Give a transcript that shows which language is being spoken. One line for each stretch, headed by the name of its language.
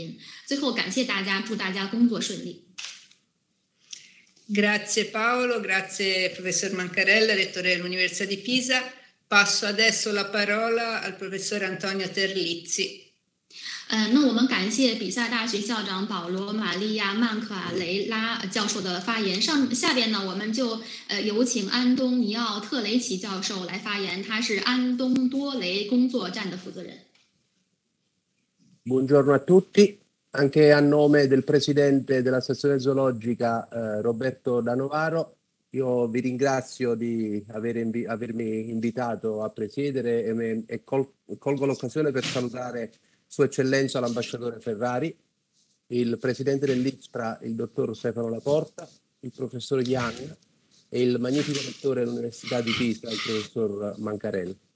Chinese: 正如环保主义者和2012年高盛奖得主伊卡尔安杰雷所说的那样，要想可持将这个可持续这个词成为现实，那么我们必须为社会提供保护自己的知识和工具。那我们今天参加这个研讨会，我认为正是出于这个原因。最后感谢大家，祝大家工作顺利。
Italian: Grazie Paolo, grazie professor Mancarella, rettore dell'Università di Pisa. Passo adesso la parola al professor Antonio Terlizzi.
Chinese: 那我们感谢比萨大学校长保罗·玛利亚·曼克雷拉教授的发言。下边呢，我们就有请安东尼奥·特雷奇教授来发言，他是安东多雷工作站的负责人。
Italian: Buongiorno a tutti, anche a nome del presidente della sezione zoologica Roberto Danovaro. Io vi ringrazio di avermi invitato a presiedere e colgo l'occasione per salutare Sua Eccellenza l'Ambasciatore Ferrari, il Presidente dell'ISPRA, il Dottor Stefano Laporta, il Professor Yang e il magnifico Rettore dell'Università di Pisa, il Professor Mancarella.